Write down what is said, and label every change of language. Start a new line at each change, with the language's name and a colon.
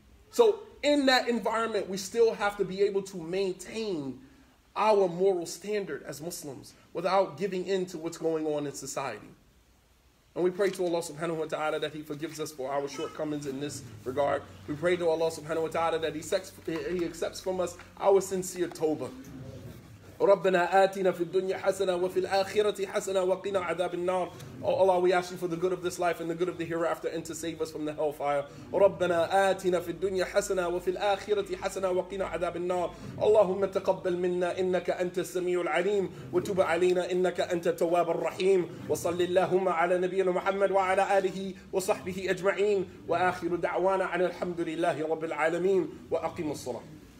English: So in that environment, we still have to be able to maintain our moral standard as Muslims without giving in to what's going on in society. And we pray to Allah subhanahu wa ta'ala that He forgives us for our shortcomings in this regard. We pray to Allah subhanahu wa ta'ala that He accepts from us our sincere tawbah.
Arabic: ربنا آتنا في الدنيا حسنة وفي الآخرة حسنة وقنا عذاب النار.
English: Oh Allah, we ask you for the good of this life and the good of the hereafter and to save us from the hellfire.
Arabic: ربنا آتنا في الدنيا حسنة وفي الآخرة حسنة وقنا عذاب النار. اللهم تقبل منا إنك أنت السميع العليم وتب علينا إنك أنت التواب الرحيم وصل اللهم على نبينا محمد وعلى آله وصحبه أجمعين وآخر دعوانا عن الحمد لله رب العالمين وأقم الصلاة.